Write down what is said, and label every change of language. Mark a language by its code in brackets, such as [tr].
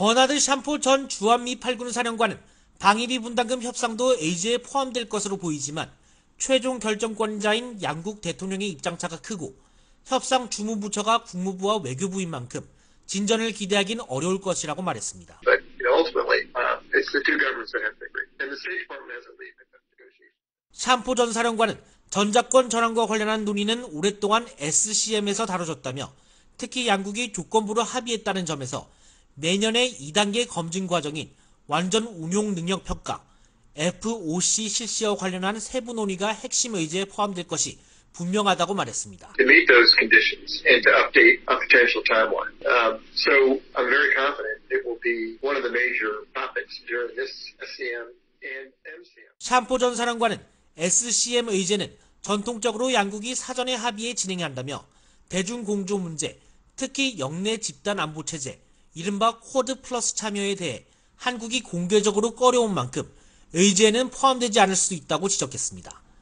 [ko] 버나드 샴포 전 주한미 8군 사령관은 방위비 분담금 협상도 에이즈에 포함될 것으로 보이지만 최종 결정권자인 양국 대통령의 입장차가 크고 협상 주무부처가 국무부와 외교부인 만큼 진전을 기대하기는 어려울 것이라고 말했습니다. [en] But ultimately, it's the two governments that have to agree. And the State Department has a lead in that negotiation. [ko] 샴포 전 사령관은 전작권 전환과 관련한 논의는 오랫동안 SCM에서 다뤄졌다며 특히 양국이 조건부로 합의했다는 점에서 내년에 2단계 검증 과정인 완전 운용 능력 평가, FOC 실시와 관련한 세부 논의가 핵심 의제에 포함될 것이 분명하다고 말했습니다. [en] To meet those conditions and to update a potential timeline. So I'm very confident it will be one of the major topics during this SCM and MCM. [ko] 샴포 전 사령관은 SCM 의제는 전통적으로 양국이 사전에 합의해 진행한다며 대중 공조 문제, 특히 역내 집단 안보 체제, 이른바 쿼드 플러스 참여에 대해 한국이 공개적으로 꺼려온 만큼 의제에는 포함되지 않을 수도 있다고 지적했습니다.